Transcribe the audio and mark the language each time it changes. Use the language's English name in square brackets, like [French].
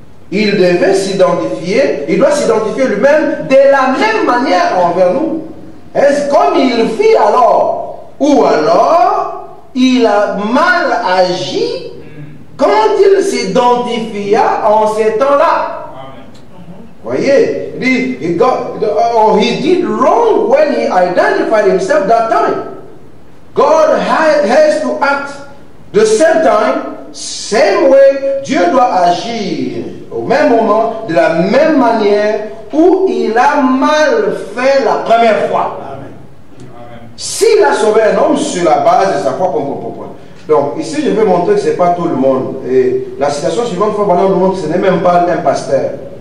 [French] Il devait s'identifier, il doit s'identifier lui-même de la même manière envers nous. Est-ce comme il fit alors, ou alors il a mal agi quand il s'identifia en ces temps-là? [English] Voyez, he did wrong when he identified himself that time. God has to act the same time, same way. [French] Dieu doit agir au même moment, de la même manière où il a mal fait la première fois. S'il a sauvé un homme sur la base de sa foi, comme vous comprenez. Donc, ici, je veux montrer que ce n'est pas tout le monde. Et la citation suivante, Frère Branham nous montre que ce n'est même pas un pasteur.